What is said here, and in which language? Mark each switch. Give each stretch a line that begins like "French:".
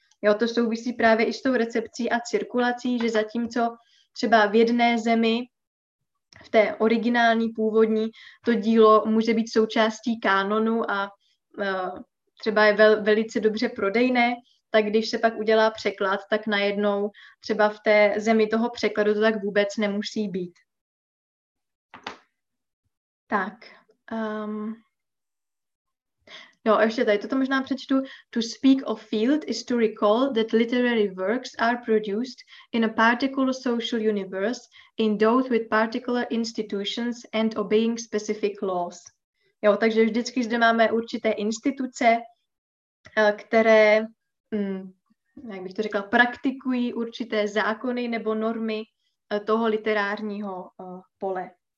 Czech: Jo, to souvisí právě i s tou recepcí a cirkulací, že zatímco třeba v jedné zemi, v té originální, původní, to dílo může být součástí kánonu a třeba je velice dobře prodejné, tak když se pak udělá překlad, tak najednou třeba v té zemi toho překladu to tak vůbec nemusí být. Tak. No, ještě tady toto možná přečtu.
English: To speak of field is to recall that literary works are produced in a particular social universe endowed with particular institutions and obeying specific laws.
Czech: Jo, takže vždycky zde máme určité instituce, které jak bych to řekla, praktikují určité zákony nebo normy toho literárního pole.